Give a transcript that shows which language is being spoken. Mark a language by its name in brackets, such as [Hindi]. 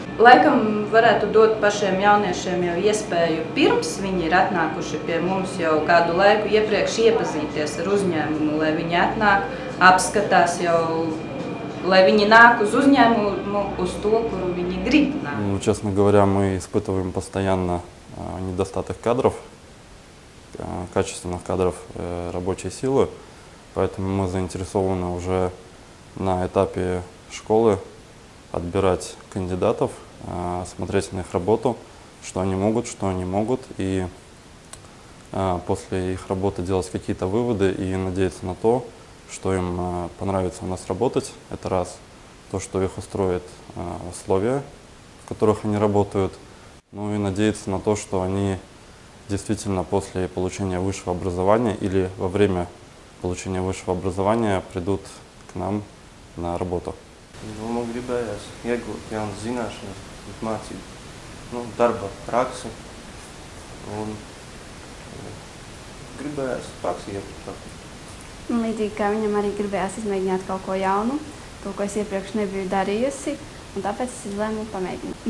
[Latvian] Laikam varētu dot pašiem jauniešiem jau iespēju pirms viņi ir atnākuši pie mums jau kādu laiku iepriekš iepazīties ar uzņēmumu, lai viņi atnāk, apskatās jau, lai viņi nāk uz uzņēmumu, uz to, kuru viņi grib nāk. [Russian] Nu, честно говоря, мы испытываем постоянно недостаток кадров, качественных кадров, рабочей силы, поэтому мы заинтересованы уже на этапе школы отбирать кандидатов, смотреть на их работу, что они могут, что они могут, и после их работы делать какие-то выводы и надеяться на то, что им понравится у нас работать. Это раз. То, что их устроит условия, в которых они работают. Ну и надеяться на то, что они действительно после получения высшего образования или во время получения высшего образования придут к нам на работу. [Latvian] Domā, gribējās iegūt jaunas zināšanas, mācību, nu, darba praksi, un gribējās praksi iegūt. Līdzīgi kā viņam arī gribējās izmēģināt kaut ko jaunu, to, ko es iepriekš nebiju darījusi, un tāpēc es izlēmu pamēģināt.